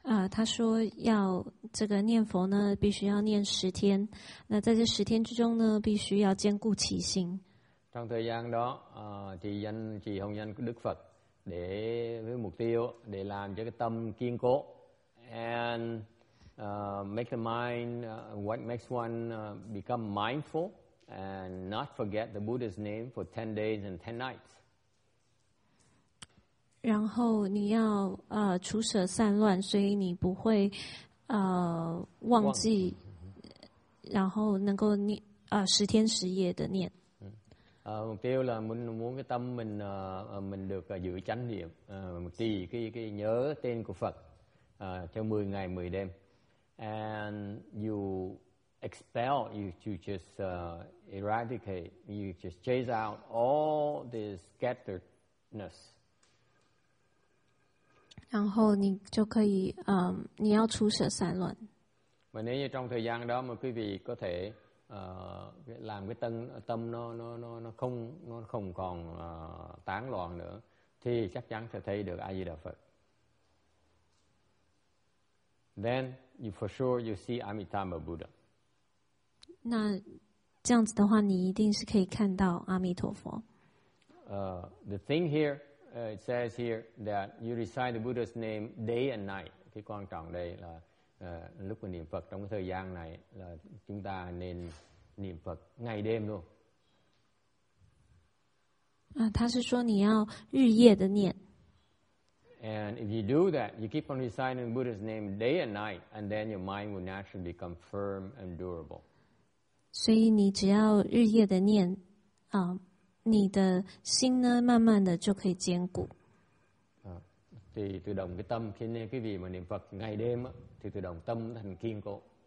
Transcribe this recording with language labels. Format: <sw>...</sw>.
<zh>他说要这个念佛呢，必须要念十天。那在这十天之中呢，必须要坚固其心。</zh> <vi>Trong thời gian đó, chỉ danh chỉ hồng danh của Đức Phật để với mục tiêu để làm cho cái tâm kiên cố</vi> <en>and make the mind what makes one become mindful and not forget the Buddha's name for 10 days and 10 nights.</en> <zh>然后你要除舍散乱，所以你不会忘记，然后能够念十天十夜的念。</zh> <vi>Mục tiêu là muốn cái tâm mình được giữ chánh niệm, trì cái nhớ tên của Phật cho 10 ngày 10 đêm.</vi> <en>And you expel, you just eradicate, you just chase out all the scatteredness.</en> <zh>然后你就可以你要除舍散乱。</zh> <vi>Và nếu như trong thời gian đó mà quý vị có thể làm cái tâm nó không còn tán loạn nữa thì chắc chắn sẽ thấy được A Di Đà Phật.</vi> <en>Then you for sure you see Amitabha Buddha.</en> <zh>那这样子的话，你一定是可以看到阿弥陀佛。</zh> <en>The thing here, it says here that you recite the Buddha's name day and night.</en> <vi>Cái quan trọng đây là lúc mình niệm Phật trong cái thời gian này là chúng ta nên niệm Phật ngày đêm luôn.</vi> <zh>他是说你要日夜的念。</zh> <en>And if you do that, you keep on reciting the Buddha's name day and night, and then your mind will naturally become firm and durable.</en> <zh>所以你只要日夜的念，你的心呢，慢慢的就可以坚固。</zh> <vi>Thì tự động cái tâm khi nghe cái gì mà niệm Phật ngày đêm á, thì tự động tâm thành kiên cố.</vi>